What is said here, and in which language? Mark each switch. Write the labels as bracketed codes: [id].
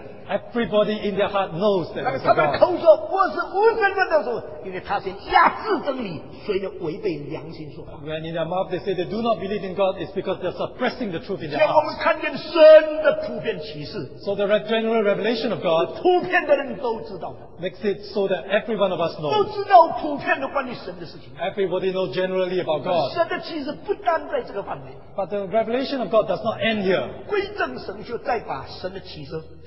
[en] Everybody in their heart knows that there's a God. [zh] 他们口说我是无神论的时候，因为他先压制真理，所以违背良心说。 [en] When in their mouth they say they do not believe in God, it's because they're suppressing the truth in their heart. [zh] 我们看见神的普遍启示。 [en] So the general revelation of God. [zh] 普遍的人都知道。 [en] Makes it so that every one of us knows. [zh] 都知道普遍的关于神的事情。 [en] Everybody knows generally about God. [zh] 神的启示不单在这个范围。 [en] But the revelation of God does not end here. [zh] 归正神学再把神的启示。